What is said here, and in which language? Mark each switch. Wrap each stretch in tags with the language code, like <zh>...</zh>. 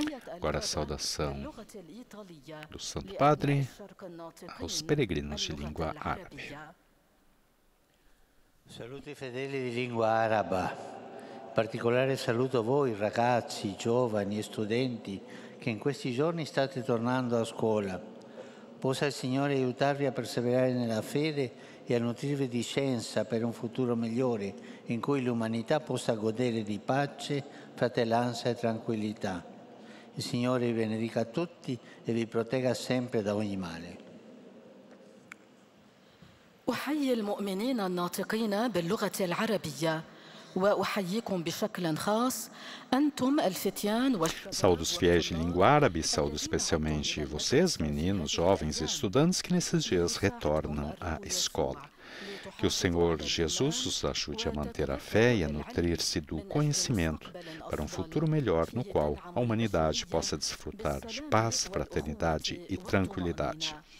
<pt>Agora a saudação do Santo Padre aos peregrinos de língua árabe.</pt> <it>Saluti fedeli di lingua araba. particolare saluto voi ragazzi, giovani e studenti che in questi giorni state tornando a scuola. Possa il Signore aiutarvi a perseverare nella fede e a nutrirvi di scienza per un futuro migliore in cui l'umanità possa godere di pace, fratellanza e tranquillità. Il Signore vi benedica tutti e vi protegga sempre da ogni male.</it> <ar>أحيي المؤمنين الناطقين باللغة العربية وأحييكم بشكل خاص أنتم الفتيان والشباب.</ar> <pt>Saúdo os fiéis de língua árabe, saúdo especialmente vocês, meninos, jovens e estudantes que nesses dias retornam à escola. Que o Senhor Jesus os ajude a manter a fé e a nutrir-se do conhecimento para um futuro melhor no qual a humanidade possa desfrutar de paz, fraternidade e tranquilidade.</pt>